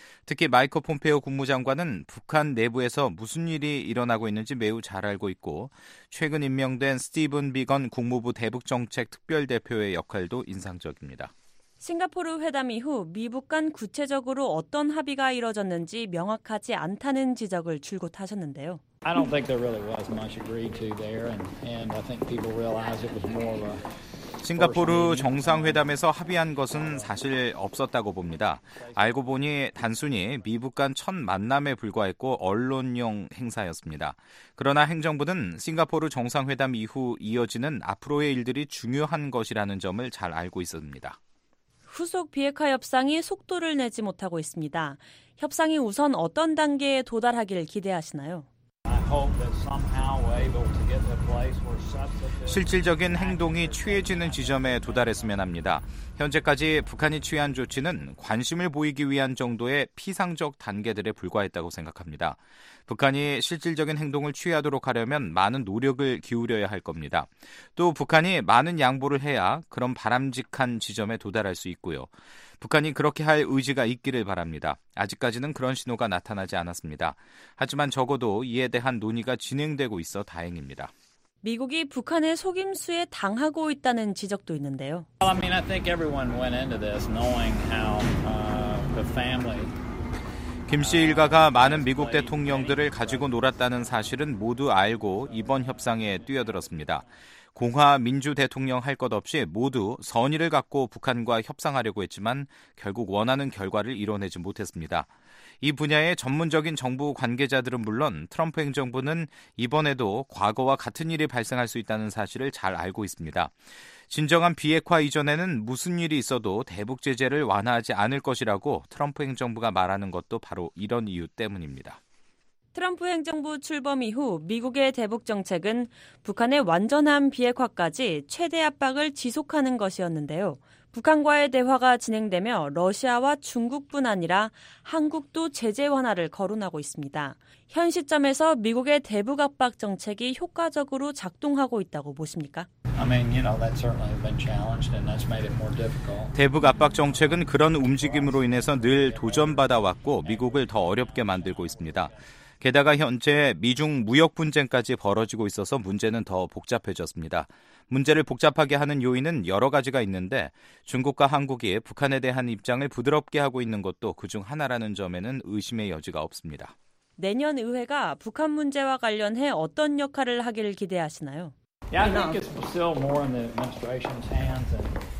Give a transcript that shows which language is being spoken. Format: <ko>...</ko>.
<ko>특히 마이크 폼페오 국무장관은 북한 내부에서 무슨 일이 일어나고 있는지 매우 잘 알고 있고 최근 임명된 스티븐 비건 국무부 대북정책특별대표의 역할도 인상적입니다. 싱가포르 회담 이후 미북 간 구체적으로 어떤 합의가 이뤄졌는지 명확하지 않다는 지적을 줄곧 하셨는데요.</ko> <en>I don't think there really was much agreed to there, and I think people realize it was more of a</en> <ko>싱가포르 정상회담에서 합의한 것은 사실 없었다고 봅니다. 알고 보니 단순히 미북 간 첫 만남에 불과했고 언론용 행사였습니다. 그러나 행정부는 싱가포르 정상회담 이후 이어지는 앞으로의 일들이 중요한 것이라는 점을 잘 알고 있었습니다. 후속 비핵화 협상이 속도를 내지 못하고 있습니다. 협상이 우선 어떤 단계에 도달하길 기대하시나요?</ko> <en>I hope that somehow we're able to get the</en> <ko>실질적인 행동이 취해지는 지점에 도달했으면 합니다. 현재까지 북한이 취한 조치는 관심을 보이기 위한 정도의 피상적 단계들에 불과했다고 생각합니다. 북한이 실질적인 행동을 취하도록 하려면 많은 노력을 기울여야 할 겁니다. 또 북한이 많은 양보를 해야 그런 바람직한 지점에 도달할 수 있고요. 북한이 그렇게 할 의지가 있기를 바랍니다. 아직까지는 그런 신호가 나타나지 않았습니다. 하지만 적어도 이에 대한 논의가 진행되고 있어 다행입니다. 미국이 북한의 속임수에 당하고 있다는 지적도 있는데요.</ko> <en>Well, I mean, I think everyone went into this knowing how the family.</en> <ko>김 씨 일가가 많은 미국 대통령들을 가지고 놀았다는 사실은 모두 알고 이번 협상에 뛰어들었습니다. 공화 민주 대통령 할 것 없이 모두 선의를 갖고 북한과 협상하려고 했지만 결국 원하는 결과를 이뤄내지 못했습니다. 이 분야의 전문적인 정부 관계자들은 물론 트럼프 행정부는 이번에도 과거와 같은 일이 발생할 수 있다는 사실을 잘 알고 있습니다. 진정한 비핵화 이전에는 무슨 일이 있어도 대북 제재를 완화하지 않을 것이라고 트럼프 행정부가 말하는 것도 바로 이런 이유 때문입니다. 트럼프 행정부 출범 이후 미국의 대북 정책은 북한의 완전한 비핵화까지 최대 압박을 지속하는 것이었는데요. 북한과의 대화가 진행되며 러시아와 중국뿐 아니라 한국도 제재 완화를 거론하고 있습니다. 현 시점에서 미국의 대북 압박 정책이 효과적으로 작동하고 있다고 보십니까?</ko> <en>I mean, you know, that's certainly been challenged and that's made it more difficult.</en> <ko>대북 압박 정책은 그런 움직임으로 인해서 늘 도전받아왔고 미국을 더 어렵게 만들고 있습니다. 게다가 현재 미중 무역 분쟁까지 벌어지고 있어서 문제는 더 복잡해졌습니다. 문제를 복잡하게 하는 요인은 여러 가지가 있는데 중국과 한국이 북한에 대한 입장을 부드럽게 하고 있는 것도 그중 하나라는 점에는 의심의 여지가 없습니다. 내년 의회가 북한 문제와 관련해 어떤 역할을 하기를 기대하시나요?</ko> <en>Yeah, I think it's still more in the administration's hands and</en>